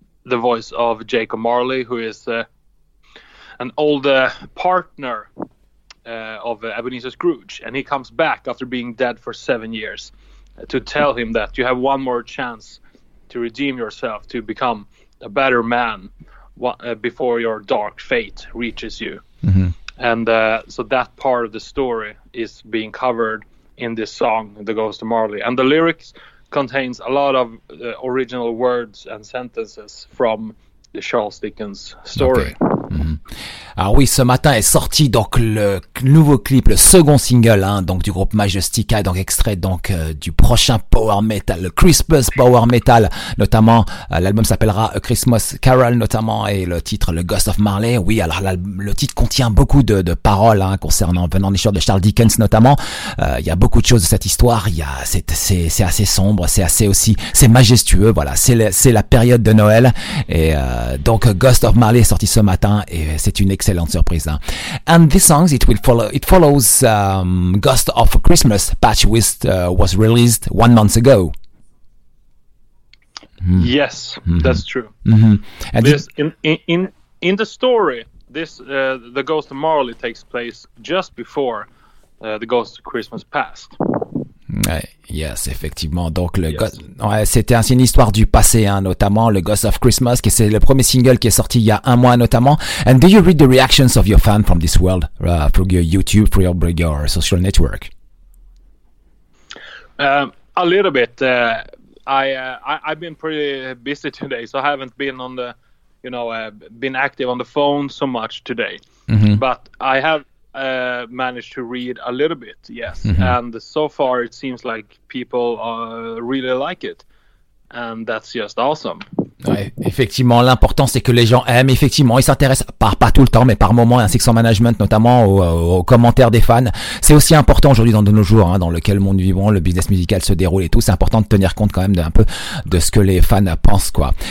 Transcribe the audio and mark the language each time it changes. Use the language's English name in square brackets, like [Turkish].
[English] the voice of Jacob Marley, who is an old partner of Ebenezer Scrooge, and he comes back after being dead for 7 years to tell him that you have one more chance to redeem yourself, to become a better man before your dark fate reaches you. Mm-hmm. And so that part of the story is being covered in this song, The Ghost of Marley. And the lyrics contains a lot of original words and sentences from the Charles Dickens story. Okay. [French] Ah oui, ce matin est sorti donc le nouveau clip, le second single hein, donc du groupe Majestica, donc extrait donc du prochain power metal, le Christmas power metal, notamment l'album s'appellera A Christmas Carol notamment, et le titre le Ghost of Marley. Oui, alors le titre contient beaucoup de paroles hein, concernant venant des choses de Charles Dickens notamment. Il y a beaucoup de choses de cette histoire. Il y a c'est assez sombre, c'est assez aussi c'est majestueux. Voilà, c'est la période de Noël et donc Ghost of Marley est sorti ce matin et c'est une excellente surprise. Hein. [English] And this song, it follows Ghost of Christmas Patch, which was released 1 month ago. Mm. Yes, mm-hmm. That's true. Mm-hmm. And in the story, this the Ghost of Marley takes place just before the Ghost of Christmas Past. [French] Yes, effectivement. Donc le yes. C'était une histoire du passé, hein, notamment le Ghost of Christmas, qui c'est le premier single qui est sorti il y a un mois, notamment. [English] And do you read the reactions of your fans from this world through your YouTube, through your social network? A little bit. I've been pretty busy today, so I haven't been on the, you know, been active on the phone so much today. Mm-hmm. But I have. Managed to read a little bit, yes. Mm-hmm. And so far it seems like people really like it, and that's just awesome. [French] Ouais, effectivement, l'important c'est que les gens aiment, effectivement, ils s'intéressent pas tout le temps mais par moment, ainsi que son management notamment aux commentaires des fans. C'est aussi important aujourd'hui dans de nos jours hein, dans lequel monde vivons, le business musical se déroule et tout, c'est important de tenir compte quand même d'un peu de ce que les fans pensent quoi.